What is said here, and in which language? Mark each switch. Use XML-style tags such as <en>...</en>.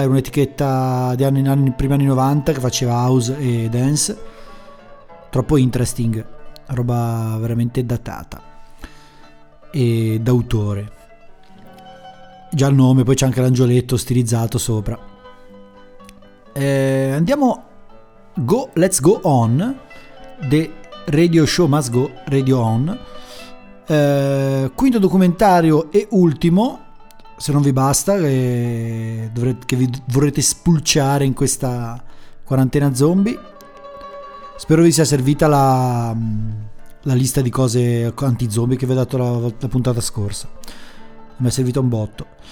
<it>Era un'etichetta di anni in anni, primi anni 90, che faceva house e dance. Troppo interesting, roba veramente datata e d'autore. Già il nome, poi c'è anche l'angioletto stilizzato sopra. Andiamo,</it> <en>go, let's go on, the radio show must go, radio on.</en> <it>Quinto documentario e ultimo, se non vi basta, che vi vorrete spulciare in questa quarantena zombie. Spero vi sia servita la lista di cose anti-zombie che vi ho dato la puntata scorsa. Mi è servito un botto.</it>